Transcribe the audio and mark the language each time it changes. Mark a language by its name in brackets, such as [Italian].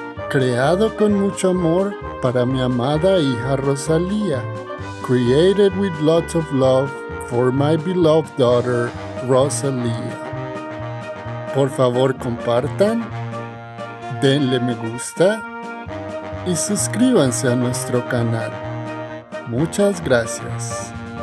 [Spanish] Creado con mucho amor para mi amada hija Rosalía. [English] Created with lots of love for my beloved daughter Rosalía. [Spanish] Por favor, compartan, denle me gusta y suscríbanse a nuestro canal. Muchas gracias.